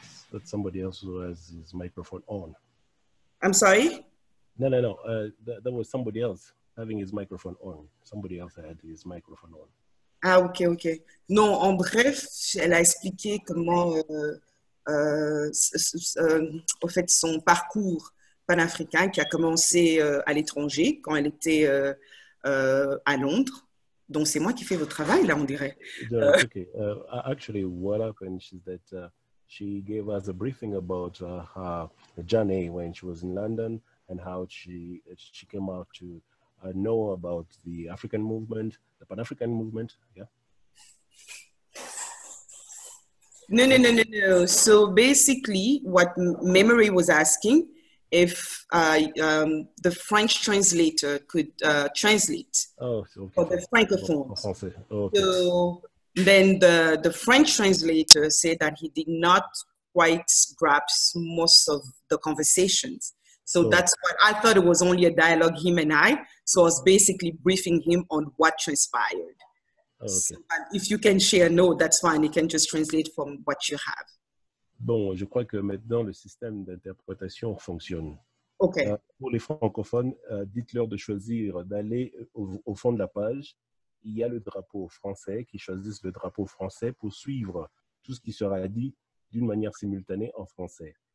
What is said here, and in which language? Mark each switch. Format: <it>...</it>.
<en>That's somebody else who has his microphone on. I'm sorry? No. That was somebody else having his microphone on. Somebody else had his microphone on. Ah, ok.</en> <fr>Non, en bref, elle a expliqué comment, au fait, son parcours panafricain qui a commencé à l'étranger quand elle était à Londres. Donc, c'est moi qui fais votre travail, là, on dirait.</fr> <en>Actually, what happened is that she gave us a briefing about her journey when she was in London. And how she came out to know about the African movement, the Pan-African movement, yeah? No. So basically, what Memory was asking, if the French translator could translate for the Francophones. Oh, okay. So then the French translator said that he did not quite grasp most of the conversations. So that's what I thought it was only a dialogue, him and I. So I was basically briefing him on what transpired. Okay. So if you can share, no, that's fine. You can just translate from what you have.</en> <fr>Bon, je crois que maintenant le système d'interprétation fonctionne.</fr> <en>Okay.</en> <fr>Pour les francophones, dites-leur de choisir d'aller au fond de la page. Il y a le drapeau français qui choisissent le drapeau français pour suivre tout ce qui sera dit d'une manière simultanée en français.</fr>